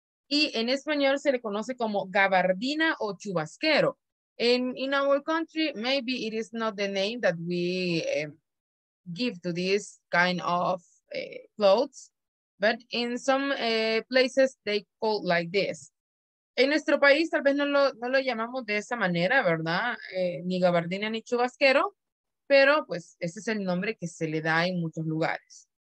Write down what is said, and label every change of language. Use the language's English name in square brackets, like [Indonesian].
[Spanish] Y en español se le conoce como gabardina o chubasquero. [English] In our country, maybe it is not the name that we give to this kind of clothes, but in some places they call like this. [Spanish] En nuestro país tal vez no lo llamamos de esa manera, ¿verdad? Ni gabardina ni chubasquero, pero pues ese es el nombre que se le da en muchos lugares.